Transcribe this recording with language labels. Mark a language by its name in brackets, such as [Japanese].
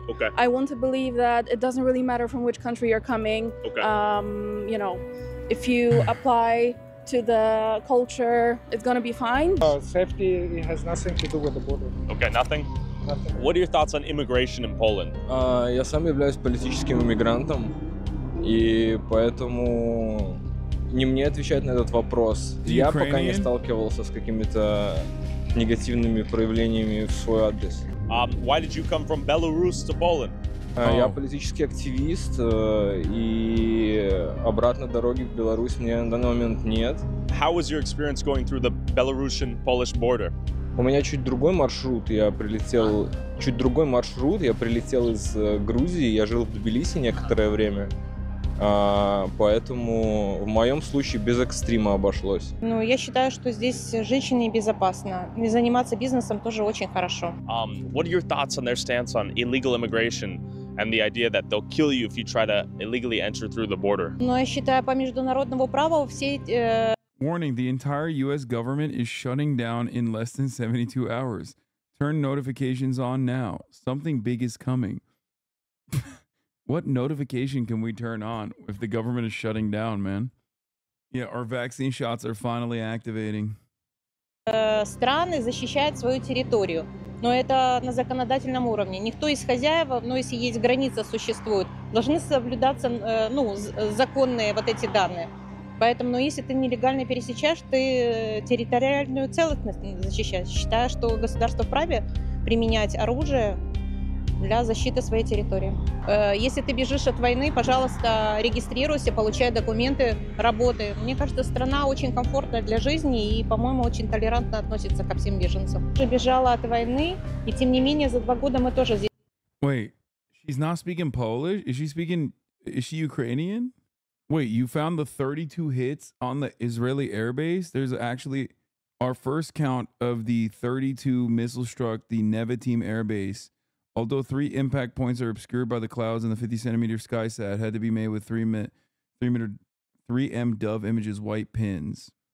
[English] Okay. I want to believe that it doesn't really matter from which country you're coming. Okay. You know, if you apply to the culture, it's gonna be fine. Safety, it has nothing to do with the border. Okay, nothing? Nothing. What are your thoughts on immigration in Poland? [Russian] Я сам являюсь политическим иммигрантом, и поэтому не мне отвечать на этот вопрос. Я пока не сталкивался с какими-то негативными проявлениями в свой адрес. [English] Why did you come from Belarus to Poland? [Russian] Я политический активист, и обратной дороги в Беларусь мне на данный момент нет. How was your experience going through the Belarusian-Polish border? У меня чуть другой маршрут, я прилетел из Грузии, я жил в Тбилиси некоторое время, поэтому в моем случае без экстрима обошлось. Ну, я считаю, что здесь женщине безопасно, и заниматься бизнесом тоже очень хорошо. [English] What are your thoughts on their stance on illegal immigration? And the idea that they'll kill you if you try to illegally enter through the border. [Russian] Но я считаю по международному праву все. [English] Warning: the entire U.S. government is shutting down in less than 72 hours. Turn notifications on now. Something big is coming. What notification can we turn on if the government is shutting down, man? Yeah, our vaccine shots are finally activating. [Russian] Страны защищают свою территорию. Но это на законодательном уровне. Никто из хозяев, но если есть граница, существует, должны соблюдаться законные вот эти данные. Поэтому, если ты нелегально пересечешь, ты территориальную целостность защищаешь. Считаю, что государство вправе применять оружие для защиты своей территории. Если ты бежишь от войны, пожалуйста, регистрируйся, получай документы, работы. Мне кажется, страна очень комфортная для жизни и, по-моему, очень толерантно относится ко всем беженцам. Я бежала от войны, и тем не менее, за два года мы тоже здесь. [English] Wait, she's not speaking Polish? Is she Ukrainian? Wait, you found the 32 hits on the Israeli airbase? There's actually our first count of the 32 missile struck the Nevatim airbase. Although three impact points are obscured by the clouds and the 50-centimeter sky sat had to be made with 3M Dove Images white pins.